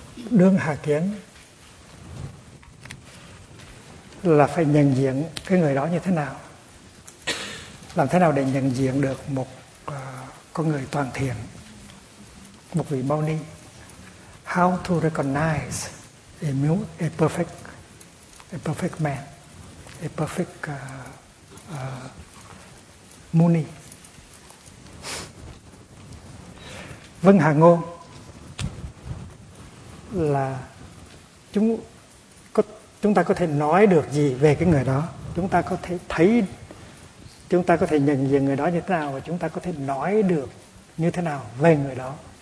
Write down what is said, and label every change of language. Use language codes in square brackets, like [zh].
[vi] Đương hà kiến là phải nhận diện cái người đó như thế nào, làm thế nào để nhận diện được một con người toàn thiện, một vị mâu ni. [en] How to recognize a perfect man, a perfect muni. [vi] Vâng hà ngôn là chúng ta có thể nói được gì về cái người đó, chúng ta có thể thấy, chúng ta có thể nhận diện người đó như thế nào, và chúng ta có thể nói được như thế nào về người đó.